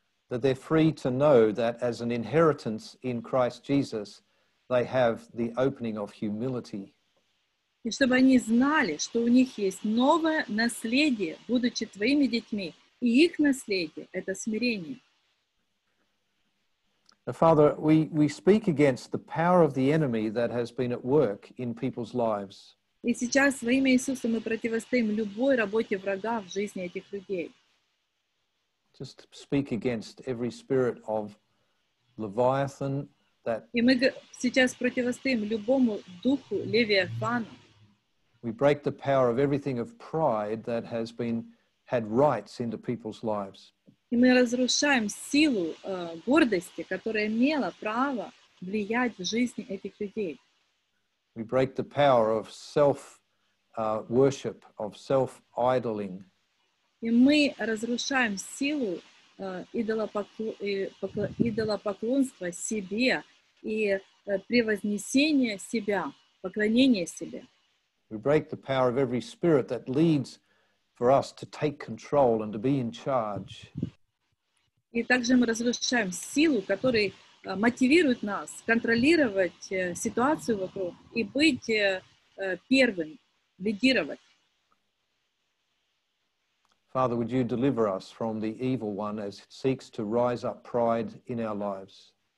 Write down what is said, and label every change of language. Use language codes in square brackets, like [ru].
[en] That they're free to know that as an inheritance in Christ Jesus, they have the opening of humility. [ru] И чтобы они знали, что у них есть новое наследие, будучи твоими детьми, и их наследие — это смирение. [en] Father, we speak against the power of the enemy that has been at work in people's lives. [ru] И сейчас во имя Иисуса мы противостоим любой работе врага в жизни этих людей. [en] Just speak against every spirit of Leviathan that. [ru] И мы сейчас противостоим любому духу Левиафана. [en] We break the power of everything of pride that has been had rights into people's lives. [ru] И мы разрушаем силу гордости, которая имела право влиять в жизни этих людей. [en] We break the power of self-worship, of self-idoling. [ru] И мы разрушаем силу идолопоклонства себе и превознесения себя, поклонения себе. [en] We break the power of every spirit that leads for us to take control and to be in charge. [ru] И также мы разрушаем силу, которая мотивирует нас контролировать ситуацию вокруг и быть первым, лидировать. [en] Father, would you deliver us from the evil one as it seeks to rise up pride in our lives?